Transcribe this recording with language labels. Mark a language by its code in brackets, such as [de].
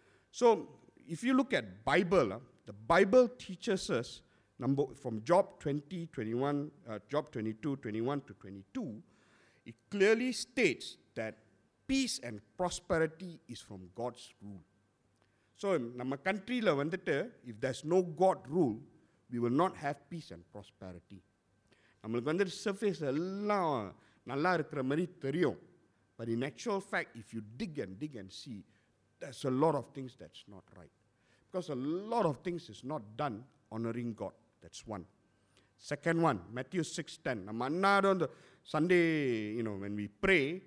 [en] So if you look at Bible, the Bible teaches us, number from Job 22:21-22, it clearly states that peace and prosperity is from God's rule. So in our country, if there's no God rule, we will not have peace and prosperity. [ta] நம்மளுக்கு வந்து surface எல்லாம் நல்லா இருக்கிற மாதிரி தெரியும். [en] But in actual fact, if you dig and see, there's a lot of things that's not right. Because a lot of things is not done honoring God. That's one. Second one, Matthew 6:10. [ta] நம்ம அன்னாரும் [en] Sunday, when we pray,